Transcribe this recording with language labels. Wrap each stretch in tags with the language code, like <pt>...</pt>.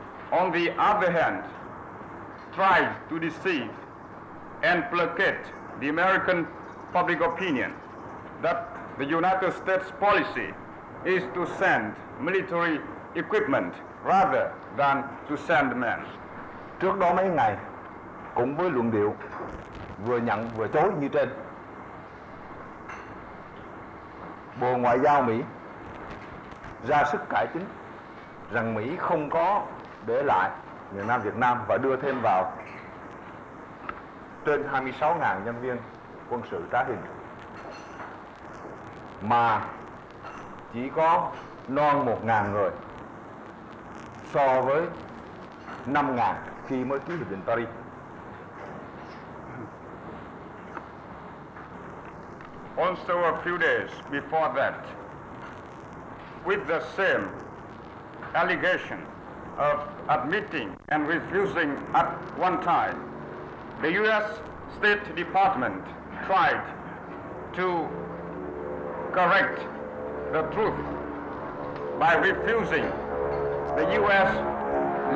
<en>On the other hand, tried to deceive and placate the American public opinion that the United States policy is to send military equipment rather than to send men.</en> <vi>Trước đó mấy ngày, cũng với luận điệu vừa nhận vừa chối như trên, Bộ Ngoại giao Mỹ ra sức cải chính rằng Mỹ không có để lại miền Nam Việt Nam và đưa thêm vào trên 26.000 nhân viên quân sự trá hình, mà chỉ có non 1.000 người so với 5.000 khi mới ký Hiệp định Paris.</vi> <en>Also a few days before that, with the same allegation of admitting and refusing at one time, the U.S. State Department tried to correct the truth by refusing the U.S.</en>